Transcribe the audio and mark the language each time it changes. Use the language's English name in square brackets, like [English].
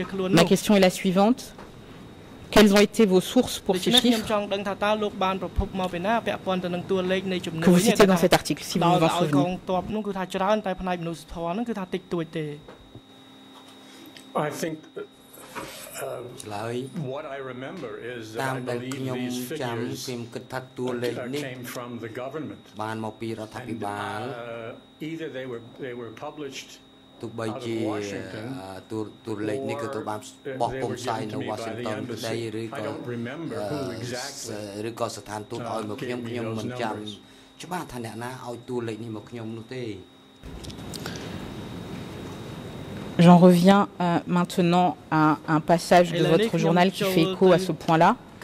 [French] Ma question est la suivante. Quelles ont été vos sources pour ces chiffres que vous citez dans cet article, si vous vous en souvenez? [English] What I remember is that I believe these figures came from the government. Either they were published out of Washington, or they were given to me by the embassy. I don't remember who exactly gave me those numbers. [French] J'en reviens maintenant à un passage de votre journal qui fait écho à ce point-là.